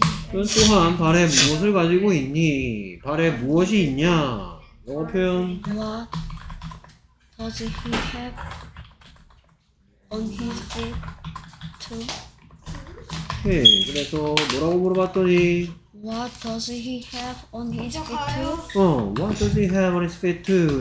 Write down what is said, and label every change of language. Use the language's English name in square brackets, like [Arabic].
[Korean] 그 또한 발에 무엇을 가지고 있니? 발에 무엇이 있냐? 영어 표현 [English] What does he have on his feet too? [Korean] 오케이, 그래서 뭐라고 물어봤더니 [English] What does he have on his feet too? 어, What does he have on his feet too?